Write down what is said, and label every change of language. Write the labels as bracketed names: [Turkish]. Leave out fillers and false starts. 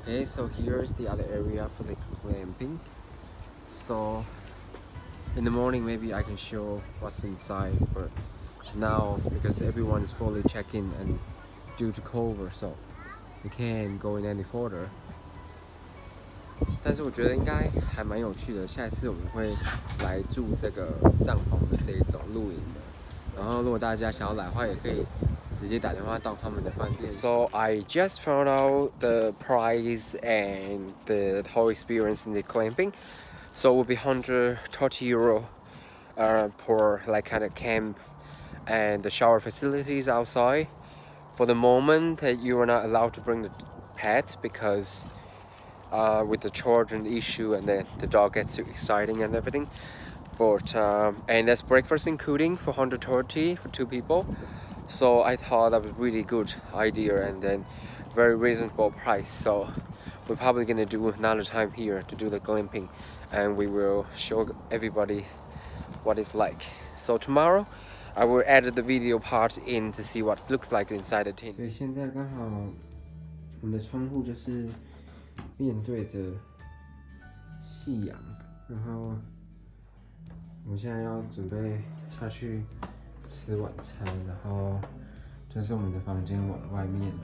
[English] Okay, so here's the other area for the glamping. So, in the morning, maybe I can show what's inside, but now, because everyone is fully checked in and due to COVID, so we can't go in any further. [Chinese] 但是我觉得应该还蛮有趣的，下一次我们会来住这个帐篷的这一种露营的。然后如果大家想要来的话，也可以直接打电话到他们的饭店。 [English] So I just found out the price and the whole experience in the camping. So it will be 130 euro, for like kind of camp, and the shower facilities outside. For the moment, that you are not allowed to bring the pets because, with the children issue and the dog gets too exciting and everything. But and that's breakfast including for 130 for two people. So I thought that was a really good idea and then very reasonable price. So we're probably gonna do another time here to do the glamping. And we will show everybody what it's like. So tomorrow, I will add the video part in to see what it looks like inside the tent. [Chinese] 所以现在刚好我们的窗户就是面对着夕阳，然后我们现在要准备下去吃晚餐，然后就是我们的房间往外面。